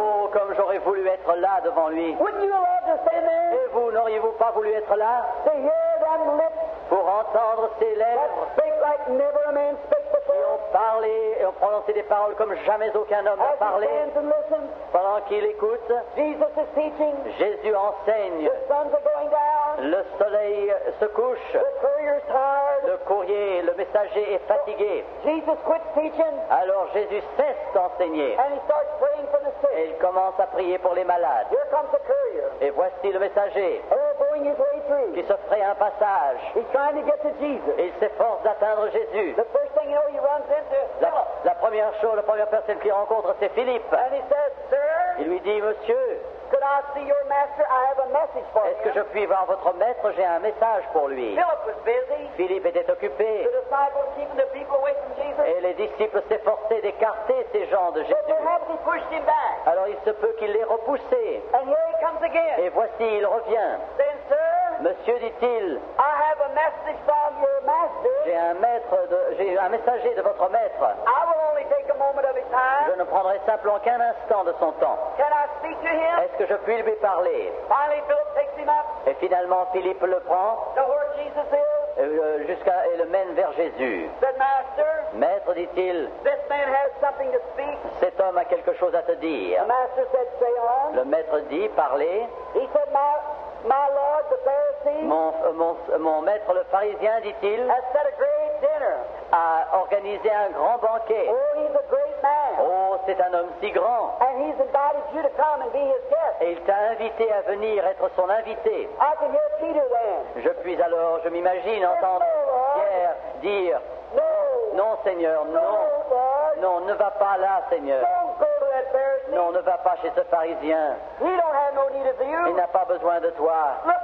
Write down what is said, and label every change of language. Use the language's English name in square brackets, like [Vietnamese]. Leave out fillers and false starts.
[French] Oh, comme j'aurais voulu être là devant lui. [English] Wouldn't you have loved to stand there? [French] Et vous, n'auriez-vous pas voulu être là? [English] To hear them lips. [French] Pour entendre ses lèvres. [English] That speak like never a man spoke before. [French] Et ont parlé et ont prononcé des paroles comme jamais aucun homme n'a parlé. [English] As he stands and listens. [French] Pendant qu'il écoute. [English] Jesus is teaching. [French] Jésus enseigne. [English] The suns are going down. [French] Le soleil se couche. [English] The courier's tired. [French] Le courrier, le messager est fatigué. [English] Jesus quits teaching. [French] Alors Jésus cesse d'enseigner. [English] And he starts praying for the sick. [French] Et il commence à prier pour les malades. [English] Here comes the courier. [French] Et voici le messager. [English] Going his way through. [French] Qui se ferait un passage. [English] He's trying to get to Jesus. [French] Et il s'efforce d'atteindre Jésus. [English] The first thing you know, he runs into [French] la première personne qu'il rencontre, c'est Philippe. [English] And he says, sir. [French] Il lui dit, monsieur. [English] Could I see your master? I have a message for him. [French] Est-ce que je puis voir votre maître? J'ai un message pour lui. [English] Philip was busy. [French] Philippe était occupé. [English] The disciples keeping the people away from Jesus. [French] Et les disciples s'efforçaient d'écarter ces gens de Jésus. [English] But perhaps he pushed him back. [French] Alors il se peut qu'il les repousse. [English] And here he comes again. [French] Et voici, il revient. [English] Then, sir, [French] monsieur, dit-il, [English] I have a message from your master. [French] J'ai un messager de votre maître. [English] I will only take a moment of his time. [French] Je ne prendrai simplement qu'un instant de son temps. [English] Can I speak to him? [French] Est-ce que je puis lui parler? [English] Finally, Philip takes him up. [French] Et finalement, Philippe le prend. [English] To where Jesus is. [French] Et le mène vers Jésus. [English] Said, master, [French] maître, dit-il, [English] this man has something to speak. [French] Cet homme a quelque chose à te dire. [English] The master said, say on. [French] Le maître dit, parlez. [English] He said, my lord, the Pharisee, [French] mon maître, le pharisien, dit-il, [English] has set a great dinner. [French] A organisé un grand banquet. [English] Oh, he's a great man. [French] Oh, c'est un homme si grand. [English] And he's invited you to come and be his guest. [French] Et il t'a invité à venir être son invité. [English] I can hear Peter then. [French] Je puis alors, je m'imagine, entendre Pierre dire non, Seigneur, non, non, ne va pas là, Seigneur, non, ne va pas chez ce pharisien, il n'a pas besoin de toi.